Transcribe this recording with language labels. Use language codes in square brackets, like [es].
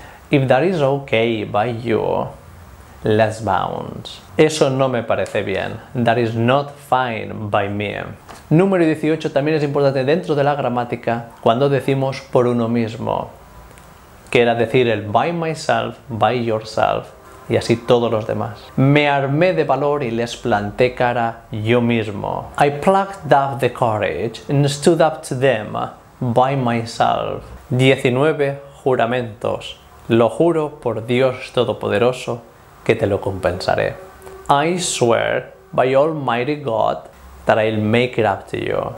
[en] If that is okay by you, let's bounce. [es] Eso no me parece bien. [en] That is not fine by me. [es] Número 18 también es importante dentro de la gramática cuando decimos por uno mismo, que era decir el [en] by myself, by yourself [es] y así todos los demás. Me armé de valor y les planté cara yo mismo. [en] I plucked up the courage and stood up to them by myself. [es] 19 juramentos. Lo juro por Dios Todopoderoso que te lo compensaré. [en] I swear by Almighty God that I'll make it up to you.